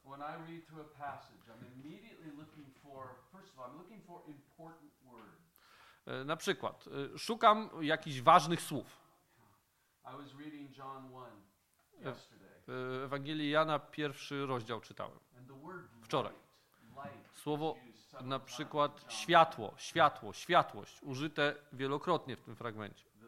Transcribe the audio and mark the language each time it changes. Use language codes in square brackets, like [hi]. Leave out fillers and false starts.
[en] When I read through a passage, I'm immediately looking for, first of all, I'm looking for important words. [pl] Na przykład, szukam jakichś ważnych słów. [en] I was reading John 1 yesterday. [pl] Ewangelii Jana, pierwszy rozdział czytałem. Wczoraj. Słowo na przykład światło, światło, światłość, użyte wielokrotnie w tym fragmencie.